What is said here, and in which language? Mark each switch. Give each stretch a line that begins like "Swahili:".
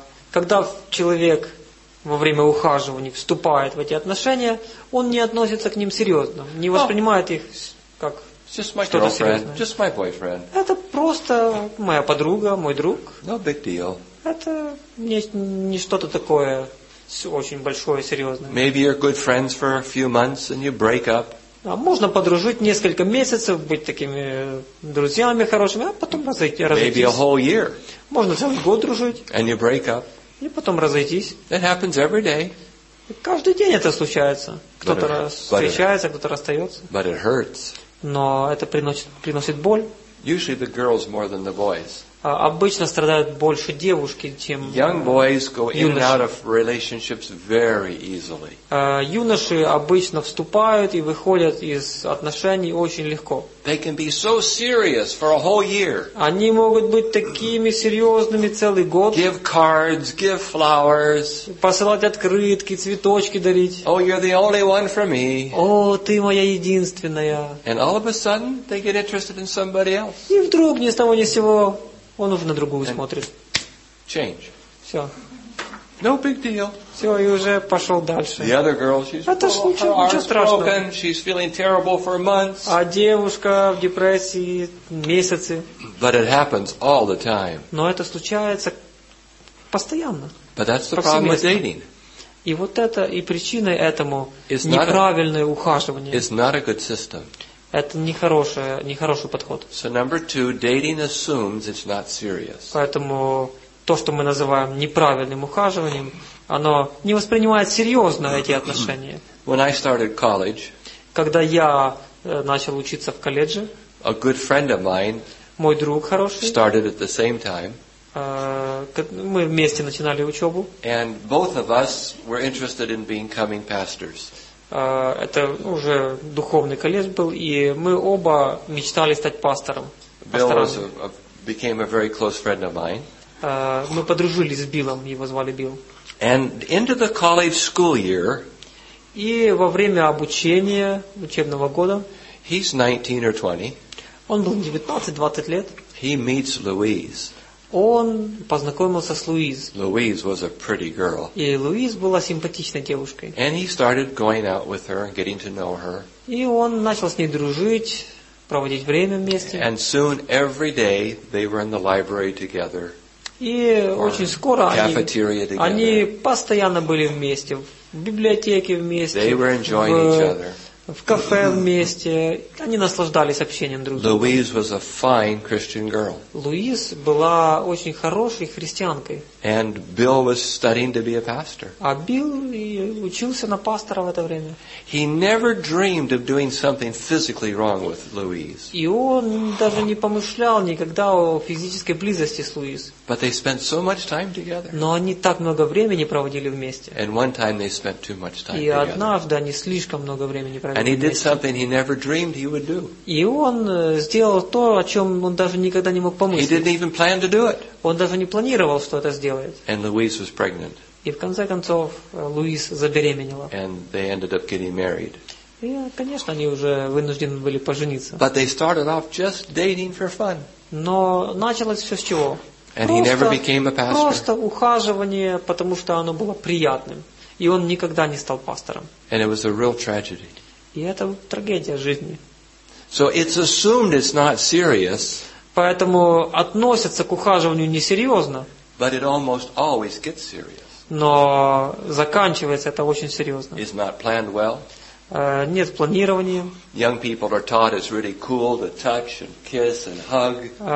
Russian: Когда человек во время ухаживания вступает в эти отношения, он не относится к ним серьезно, не воспринимает их как
English: Just my girlfriend. Just my boyfriend.
Russian: Это просто моя подруга, мой друг.
English: No big deal.
Russian: Это не что-то такое очень большое, серьезное.
English: Maybe you're good friends for a few months and you break up.
Russian: А можно подружить несколько месяцев, быть такими друзьями хорошими, а потом разойтись.
English: Maybe a whole year.
Russian: Можно целый год дружить.
English: And you break up.
Russian: И потом разойтись.
English: It happens every day.
Russian: Каждый день это случается. Кто-то встречается, кто-то расстается.
English: But it hurts.
Russian: Но это приносит боль.
English: Usually the girls more than the boys.
Russian: Обычно страдают больше девушки, чем
English: Young boys go in and out of relationships very easily.
Russian: Юноши обычно вступают и выходят из отношений очень легко.
English: They can be so serious for a whole year.
Russian: Они могут быть такими серьезными целый год.
English: Give cards, give flowers.
Russian: Посылать открытки, цветочки дарить.
English: Oh, you're the only one for me.
Russian: О, ты моя единственная.
English: And all of a sudden, they get interested in somebody else.
Russian: И вдруг ни с того ни с сего он уже на другую смотрит.
English: Change.
Russian: Все.
English: No big deal.
Russian: Все, и уже пошел дальше.
English: The other girl, she's
Russian: ничего страшного.
English: Broken. She's feeling terrible for months.
Russian: А девушка в депрессии месяцы.
English: But it happens all the time.
Russian: Но это случается постоянно.
English: But that's the problem with dating.
Russian: И вот это и причиной этому неправильное ухаживание.
English: It's not a good system.
Russian: Это нехороший подход.
English: So number two, dating assumes it's not serious.
Russian: Поэтому то, что мы называем неправильным ухаживанием, оно не воспринимает серьезно эти отношения.
English: When I started college,
Russian: когда я начал учиться в колледже,
English: a good friend of mine,
Russian: мой друг хороший,
English: started at the same time,
Russian: мы вместе начинали учебу,
English: and both of us were interested in becoming pastors.
Russian: Это уже духовный колледж был, и мы оба мечтали стать пастором.
English: Bill became a very close friend of mine.
Russian: Мы подружились с Биллом, его звали Билл.
English: And into the college school year,
Russian: и во время обучения учебного года,
English: he's 19 or 20,
Russian: он был 19-20 лет,
English: he meets Louise.
Russian: Он познакомился с Луиз.
English: Louise was a pretty girl.
Russian: И Луиз была симпатичной девушкой.
English: And he started going out with her and getting to know her.
Russian: И он начал с ней дружить, проводить время вместе.
English: And soon every day they were in the library together.
Russian: И очень скоро они постоянно были вместе, в библиотеке вместе,
English: they were enjoying each other.
Russian: В кафе вместе. Они наслаждались общением друг с другом.
English: Louise was a fine Christian girl.
Russian: Луиз была очень хорошей христианкой.
English: And Bill was studying to be a pastor.
Russian: А Билл учился на пастора в это время.
English: He never dreamed of doing something physically wrong with Louise.
Russian: И он даже не помышлял никогда о физической близости с Луиз.
English: But they spent so much time together.
Russian: Но они так много времени проводили вместе.
English: And one time they spent too much time
Russian: и И однажды они слишком много времени провели вместе.
English: And he did something he never dreamed he would do.
Russian: И он сделал то, о чем он даже никогда не мог помыслить.
English: He didn't even plan to do it.
Russian: Он даже не планировал, что это сделает.
English: And Louise was pregnant.
Russian: И в конце концов Луиз забеременела.
English: And they ended up getting married.
Russian: И, конечно, они уже вынуждены были пожениться.
English: But they started off just dating for fun.
Russian: Но началось все с чего?
English: And he never became a pastor.
Russian: Просто ухаживание, потому что оно было приятным. И он никогда не стал пастором.
English: And it was a real tragedy.
Russian: И это трагедия жизни.
English: So it's assumed it's not serious.
Russian: Поэтому относятся к ухаживанию несерьезно.
English: But it almost always gets serious.
Russian: Но заканчивается это очень серьезно.
English: It's not planned well.
Russian: Нет планирования.
English: Young people are taught it's really cool to touch and kiss and hug.